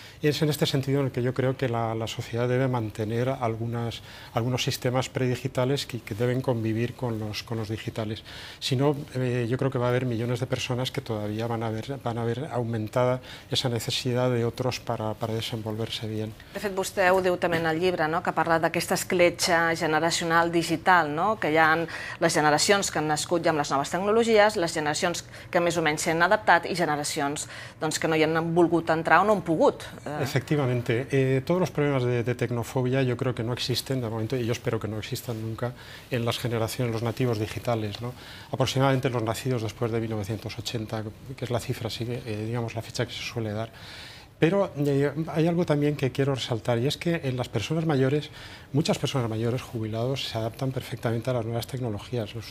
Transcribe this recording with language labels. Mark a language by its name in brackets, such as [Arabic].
[Spanish] Y es en este sentido en el que yo creo que la sociedad debe mantener algunos sistemas predigitales que deben convivir con los digitales. Si no, yo creo que va a haber millones de personas que todavía van a ver aumentada esa necesidad de otros para desenvolverse bien. [Catalan] De fet, vostè ho diu també en el llibre, no? Que parla d'aquesta escletxa generacional digital, no? Que hi ha les generacions que han nascut ja amb les noves tecnologies, les generacions que més o menys s'han adaptat i generacions doncs, que no hi han volgut entrar o no han pogut. [Spanish] Efectivamente, todos los problemas de tecnofobia yo creo que no existen de momento, y yo espero que no existan nunca, en las generaciones, los nativos digitales, ¿no? Aproximadamente los nacidos después de 1980, que es la cifra, digamos, la fecha que se suele dar. Pero hay algo también que quiero resaltar, y es que en las personas mayores, muchas personas mayores, jubilados, se adaptan perfectamente a las nuevas tecnologías.